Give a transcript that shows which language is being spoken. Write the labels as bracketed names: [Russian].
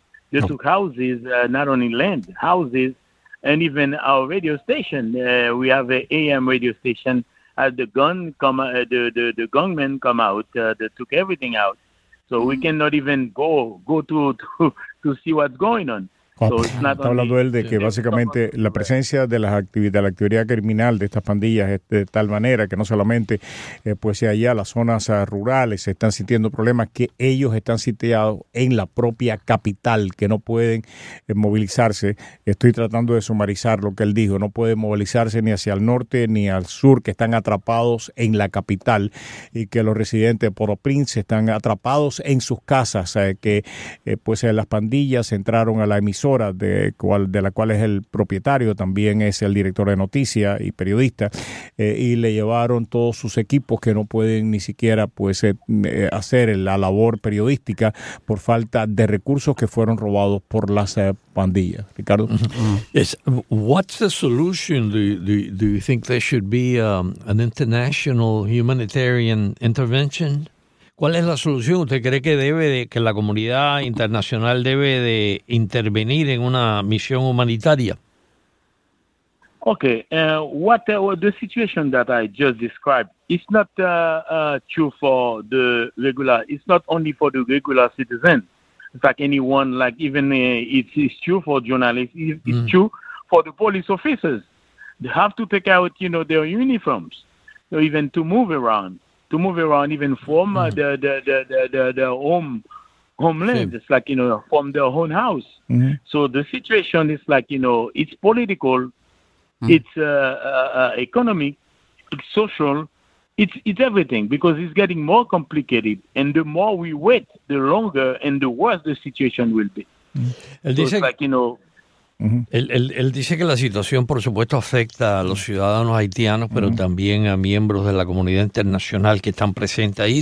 [English] They took houses, not only land, houses. And even our radio station, we have an AM radio station. The gunmen come out, they took everything out. So we cannot even go to see what's going on. [Spanish] Está hablando él de que básicamente la presencia de las actividades, de la actividad criminal de estas pandillas es de tal manera que no solamente pues allá las zonas rurales se están sintiendo problemas, que ellos están sitiados en la propia capital, que no pueden movilizarse. Estoy tratando de sumarizar lo que él dijo: no pueden movilizarse ni hacia el norte ni al sur, que están atrapados en la capital, y que los residentes de Port-au-Prince están atrapados en sus casas, que pues las pandillas entraron a la emisora de la cual es el propietario, también es el director de noticias y periodista, y le llevaron todos sus equipos, que no pueden ni siquiera pues hacer la labor periodística por falta de recursos que fueron robados por las pandillas. Ricardo. [English] Yes. What's the solution? Do you think there should be an international humanitarian intervention? [Spanish] ¿Cuál es la solución? ¿Usted cree que que la comunidad internacional debe de intervenir en una misión humanitaria? [English] Okay, what the situation that I just described is not true for the regular. It's not only for the regular citizen. In fact, anyone, like even it's true for journalists. It's true for the police officers. They have to take out, you know, their uniforms, or even to move around. To move around, even from the homeland, it's like, you know, from their own house. Mm-hmm. So the situation is like, you know, it's political, it's economic, it's social, it's everything, because it's getting more complicated. And the more we wait, the longer and the worse the situation will be. Mm-hmm. So it's like, you know. [Spanish] Él dice que la situación, por supuesto, afecta a los ciudadanos haitianos, pero también a miembros de la comunidad internacional que están presentes ahí.